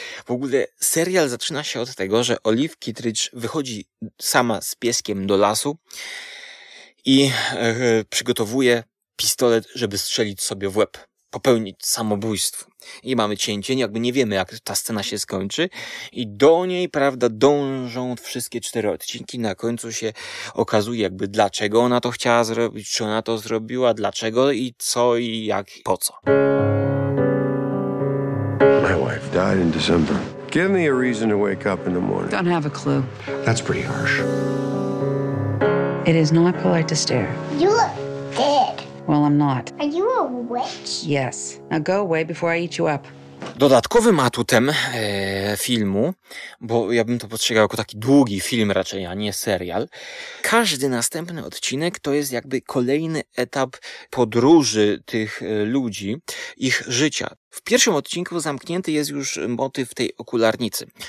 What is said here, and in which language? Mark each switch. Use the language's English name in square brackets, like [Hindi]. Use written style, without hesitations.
[Polish] W ogóle serial zaczyna się od tego, że Olive Kittredge wychodzi sama z pieskiem do lasu i przygotowuje pistolet, żeby strzelić sobie w łeb, popełnić samobójstwo. I mamy cięcie, jakby nie wiemy, jak ta scena się skończy. I do niej, prawda, dążą wszystkie 4 odcinki. Na końcu się okazuje, jakby dlaczego ona to chciała zrobić, czy ona to zrobiła, dlaczego i co i jak i po co. [English] My wife died in December. Give me a reason to wake up in the morning. Don't have a clue. That's pretty harsh. It is not polite to stare. You look dead. Well, I'm not. Are you a witch? Yes. Now go away before I eat you up. [Polish] Dodatkowym atutem filmu, bo ja bym to postrzegał jako taki długi film raczej, a nie serial, każdy następny odcinek to jest jakby kolejny etap podróży tych ludzi, ich życia. W pierwszym odcinku zamknięty jest już motyw tej okularnicy.